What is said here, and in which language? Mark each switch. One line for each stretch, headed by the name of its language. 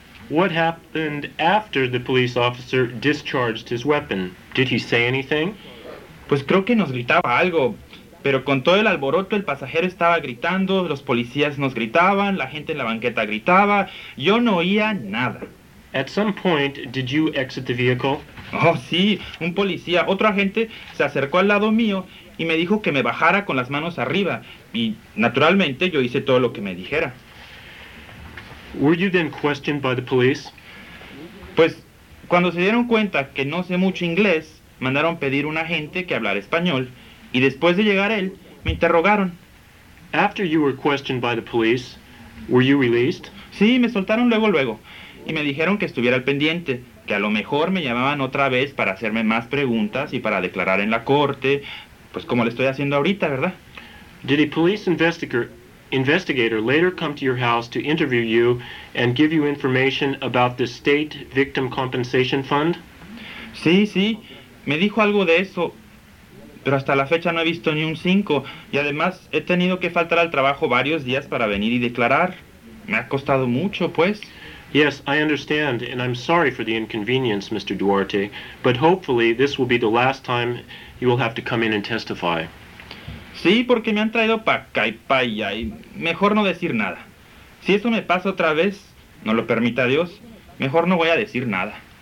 English: What happened after the police officer discharged his weapon? Did he say anything?
Spanish: Pues creo que nos gritaba algo. Pero con todo el alboroto, el pasajero estaba gritando, los policías nos gritaban, la gente en la banqueta gritaba. Yo no oía nada.
English: At some point, did you exit the vehicle?
Spanish: Oh, sí. Un policía, otro agente, se acercó al lado mío y me dijo que me bajara con las manos arriba. Y, naturalmente, yo hice todo lo que me dijera.
English: Were you then questioned by the police?
Spanish: Pues, cuando se dieron cuenta que no sé mucho inglés, mandaron pedir un agente que hablara español. Y después de llegar él, me interrogaron.
English: After you were questioned by the police, were you released?
Spanish: Sí, me soltaron luego. Y me dijeron que estuviera al pendiente, que a lo mejor me llamaban otra vez para hacerme más preguntas y para declarar en la corte, pues como le estoy haciendo ahorita, ¿verdad?
English: Did a police investigator later come to your house to interview you and give you information about the state victim compensation fund?
Spanish: Sí, sí. Me dijo algo de eso. Pero hasta la fecha no he visto ni un cinco. Y además, he tenido que faltar al trabajo varios días para venir y declarar. Me ha costado mucho, pues.
English: Yes, I understand, and I'm sorry for the inconvenience, Mr. Duarte. But hopefully, this will be the last time you will have to come in and testify.
Spanish: Sí, porque me han traído pa' acá y pa' allá, y mejor no decir nada. Si eso me pasa otra vez, no lo permita Dios, mejor no voy a decir nada.